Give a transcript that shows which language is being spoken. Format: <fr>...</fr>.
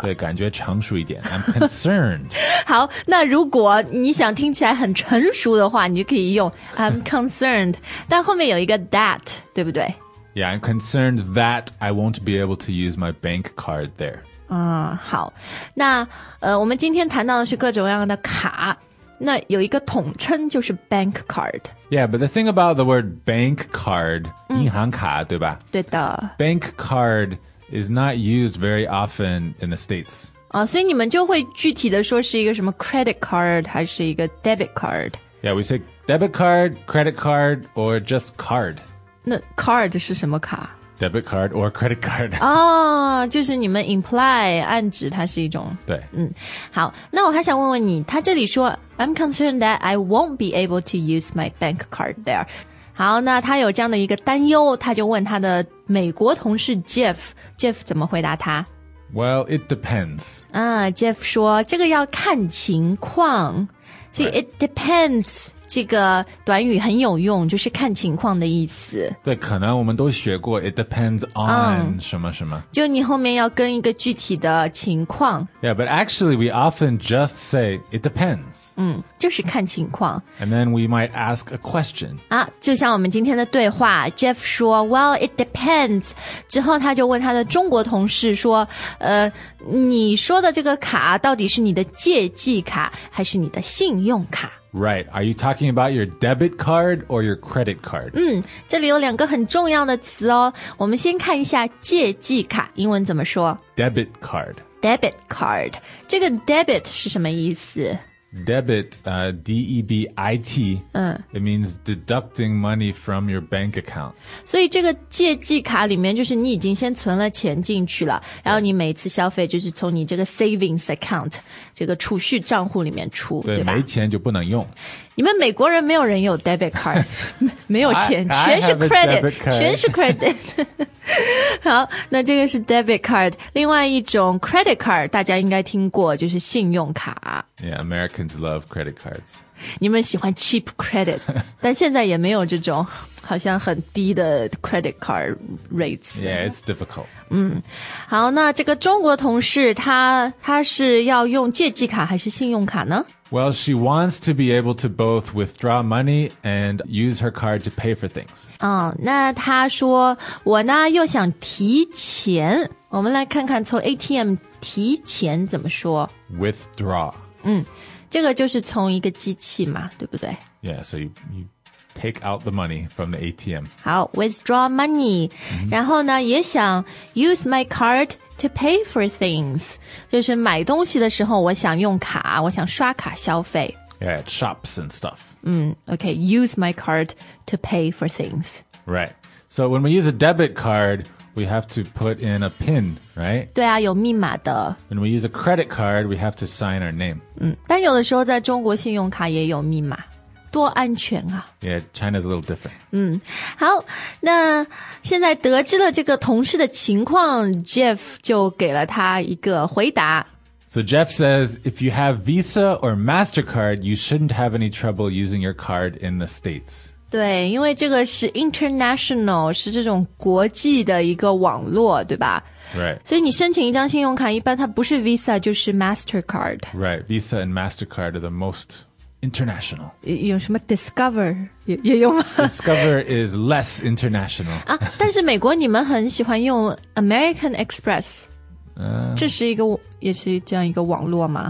<zh>对，感觉成熟一点</zh> <en>I'm concerned.</en> <zh>好，那如果你想听起来很成熟的话，你就可以用</zh> <en>I'm concerned.</en> <zh>但后面有一个 that, 对不对？</zh> <en>Yeah, I'm concerned that I won't be able to use my bank card there.</en> <zh>好，那我们今天谈到的是各种各样的卡，那有一个统称就是 bank card.</zh> <en>Yeah, but the thing about the word bank card,</en> <zh>银行卡，对吧？对的。</zh> <en>Bank card is not used very often in the States.</en> <zh>所以你们就会具体的说是一个什么 credit card 还是一个 debit card?</zh> <en>Yeah, we say debit card, credit card, or just card.</en> <zh>那 card 是什么卡？</zh> <en>Debit card or credit card.</en> <zh>就是你们 imply, 暗指它是一种。对。好，那我还想问问你，他这里说</zh> <en>I'm concerned that I won't be able to use my bank card there.</en> <zh>好，那他有这样的一个担忧，他就问他的美国同事 Jeff, Jeff 怎么回答他？</zh> <en>Well, it depends.</en> <zh>Jeff 说这个要看情况。</zh> <en>See, right. It depends.</en> <zh>这个短语很有用，就是看情况的意思。对，可能我们都学过</zh> <en>It depends on</en> <zh>什么什么，就你后面要跟一个具体的情况。</zh> <en>Yeah, but actually we often just say It depends.</en> <zh>就是看情况。</zh> <en>And then we might ask a question.</en> <zh>就像我们今天的对话， Jeff 说</zh> <en>Well, it depends.</en> <zh>之后他就问他的中国同事说你说的这个卡到底是你的借记卡还是你的信用卡？</zh> <en>Right, are you talking about your debit card or your credit card?</en> <zh>这里有两个很重要的词哦。我们先看一下借记卡，英文怎么说？</zh> <en>Debit card.</en> <zh>Debit card. 这个 debit 是什么意思？</zh> <en>debit, D-E-B-I-T, it means deducting money from your bank account.</en> <zh>所以这个借记卡里面就是你已经先存了钱进去了，然后你每次消费就是从你这个 savings account, 这个储蓄账户里面出，对吧？没钱就不能用。你们美国人没有人有 debit card, 没有钱全是 credit 好，那这个是 debit card, 另外一种 credit card 大家应该听过，就是信用卡。</zh> <en>Yeah, Americans love credit cards.</en> <zh>你们喜欢 cheap credit, 但现在也没有这种好像很低的 credit card rates.</zh> <en>Yeah, it's difficult.</en> <zh>好，那这个中国同事他是要用借记卡还是信用卡呢？</zh> <en>Well, she wants to be able to both withdraw money and use her card to pay for things.</en> <zh>那她说我呢又想提钱。我们来看看从 ATM 提钱怎么说。</zh> <en>Withdraw.</en> <zh>这个就是从一个机器嘛，对不对？</zh> <en>Yeah, so you take out the money from the ATM.</en> <zh>好</zh> <en>withdraw money.、</en> <zh>然后呢也想</zh> <en>use my card to pay for things.</en> <zh>就是买东西的时候我想用卡，我想刷卡消费。</zh> <en>Yeah, at shops and stuff. Okay, use my card to pay for things. Right. So when we use a debit card, we have to put in a pin, right?</en> <zh>对啊，有密码的。</zh> <en>When we use a credit card, we have to sign our name.</en> <zh>但有的时候在中国信用卡也有密码。多安全啊。</zh> <en>Yeah, China's a little different.</en> <zh>好，那现在得知了这个同事的情况， Jeff 就给了他一个回答。</zh> <en>So Jeff says, if you have Visa or MasterCard, you shouldn't have any trouble using your card in the States.</en> <zh>对，因为这个是 international, 是这种国际的一个网络，对吧？</zh> <en>Right.</en> <zh>所以你申请一张信用卡，一般它不是 Visa, 就是 MasterCard.</zh> <en>Right, Visa and MasterCard are the most... International.</en> <zh>有什么 Discover 也用吗？</zh> <en>Discover is less international.</en> <zh>但是美国你们很喜欢用 American Express. 这是一个也是这样一个网络吗？</zh>